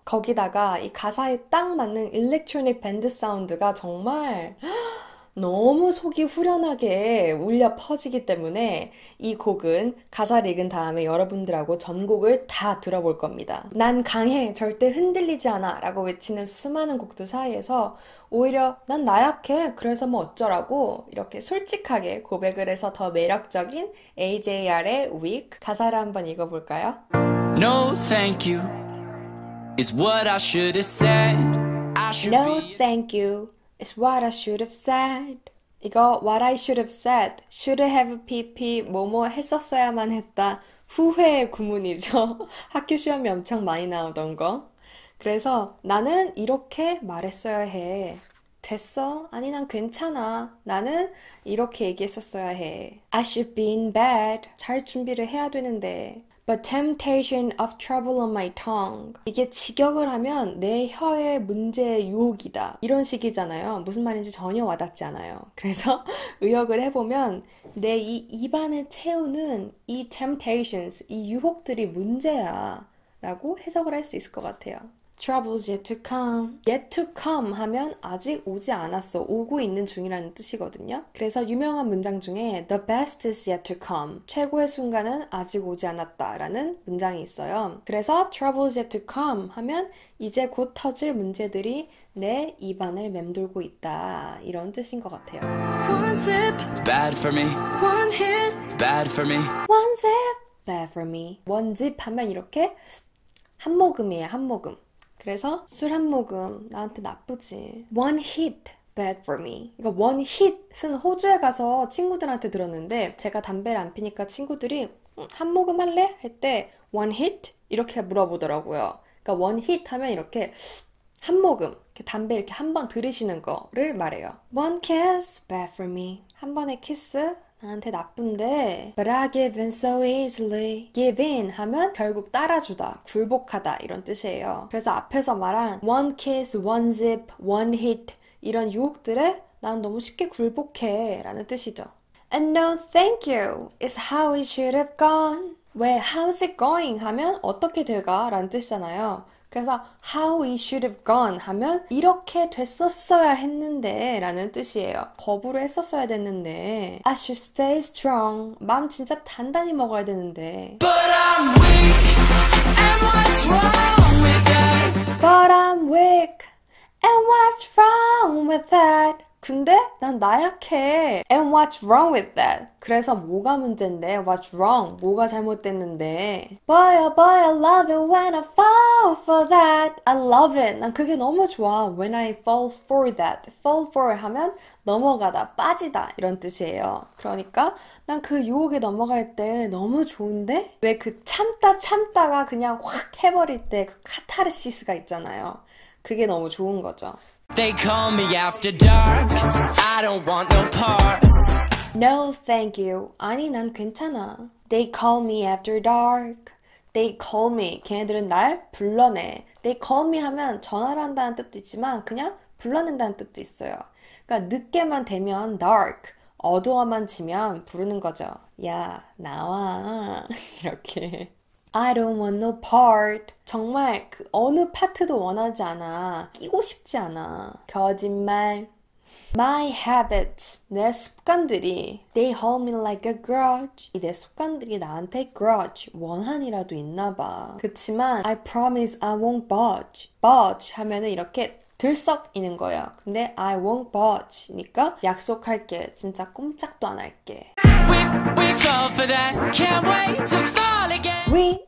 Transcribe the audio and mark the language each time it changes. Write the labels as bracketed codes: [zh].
[ko] 거기다가 이 가사에 딱 맞는 일렉트로닉 밴드 사운드가 정말 너무 속이 후련하게 울려 퍼지기 때문에 이 곡은 가사를 읽은 다음에 여러분들하고 전곡을 다 들어볼 겁니다. 난 강해, 절대 흔들리지 않아 라고 외치는 수많은 곡들 사이에서 오히려 난 나약해, 그래서 뭐 어쩌라고 이렇게 솔직하게 고백을 해서 더 매력적인 AJR의 Weak 가사를 한번 읽어볼까요? [en] No, thank you. It's what I should have said. I should No, be. thank you. It's what I should have said. [ko] 이거 [en] what I should have said, should have pp [ko] 뭐뭐 했었어야만 했다. 후회의 구문이죠. 학교 시험에 엄청 많이 나오던 거. 그래서 나는 이렇게 말했어야 해. 됐어? 아니 난 괜찮아. 나는 이렇게 얘기했었어야 해. [en] I should be in bed. [ko] 잘 준비를 해야 되는데. [en] But temptation of trouble on my tongue. [ko] 이게 직역을 하면 내 혀의 문제의 유혹이다. 이런 식이잖아요. 무슨 말인지 전혀 와닿지 않아요. 그래서 의역을 해보면 내이 입안을 채우는 이 temptations, 이 유혹들이 문제야. 라고 해석을 할수 있을 것 같아요. [en] Troubles yet to come. Yet to come [ko] 하면 아직 오지 않았어. 오고 있는 중이라는 뜻이거든요. 그래서 유명한 문장 중에 [en] The best is yet to come. [ko] 최고의 순간은 아직 오지 않았다라는 문장이 있어요. 그래서 [en] Troubles yet to come [ko] 하면 이제 곧 터질 문제들이 내 입안을 맴돌고 있다. 이런 뜻인 것 같아요. [en] One sip, bad for me. One hit, bad for me. One sip, bad for me. One sip [ko] 하면 이렇게 한 모금이에요, 한 모금. 그래서 술한 모금 나한테 나쁘지. [en] One hit bad for me. [ko] 이거 [en] one hit [ko] 은 호주에 가서 친구들한테 들었는데 제가 담배를 안 피니까 친구들이 한 모금 할래? 할때 [en] one hit [ko] 이렇게 물어보더라고요. 그러니까 one hit 하면 이렇게 한 모금 이렇게 담배 이렇게 한번 들이시는 거를 말해요. [en] One kiss bad for me. [ko] 한 번의 키스 나한테 나쁜데. [en] But I give in so easily. [ko] Give in 하면 결국 따라주다, 굴복하다 이런 뜻이에요. 그래서 앞에서 말한 [en] one kiss, one zip, one hit [ko] 이런 유혹들에 난 너무 쉽게 굴복해 라는 뜻이죠. [en] And no thank you is how it should have gone. [ko] 왜 [en] how's it going [ko] 하면 어떻게 될까 라는 뜻이잖아요. 그래서 [en] how it should have gone [ko] 하면 이렇게 됐었어야 했는데 라는 뜻이에요. 거부를 했었어야 됐는데. [en] I should stay strong. [ko] 마음 진짜 단단히 먹어야 되는데. [en] But I'm weak, and what's wrong with that? But I'm weak, and what's wrong with that? [ko] 근데 난 나약해. [en] And what's wrong with that? [ko] 그래서 뭐가 문제인데? [en] What's wrong? [ko] 뭐가 잘못됐는데? [en] Boy, oh boy, I love it when I fall for that. I love it. [ko] 난 그게 너무 좋아. [en] When I fall for that. [ko] Fall for 하면 넘어가다, 빠지다 이런 뜻이에요. 그러니까 난그 유혹에 넘어갈 때 너무 좋은데? 왜그 참다 참다가 그냥 확 해버릴 때그 카타르시스가 있잖아요. 그게 너무 좋은 거죠. [en] They call me after dark. I don't want no part. No, thank you. [ko] 아니, 난 괜찮아. [en] They call me after dark. They call me. [ko] 걔네들은 날 불러내. [en] They call me [ko] 하면 전화를 한다는 뜻도 있지만 그냥 불러낸다는 뜻도 있어요. 그러니까 늦게만 되면 dark. 어두워만 지면 부르는 거죠. 야, 나와. 이렇게. I don't want no part. 정말 그 어느 파트도 원하지 않아. 끼고 싶지 않아. 거짓말. [en] My habits. [ko] 내 습관들이. [en] They hold me like a grudge. [ko] 이내 습관들이 나한테 [en] grudge. [ko] 원한이라도 있나 봐. 그치만 [en] I promise I won't budge. [ko] budge 하면은 이렇게 들썩이는 거예요. 근데 [en] I won't budge [ko] 니까 약속할게. 진짜 꼼짝도 안 할게. [en] We fall for that. Can't wait to fall again.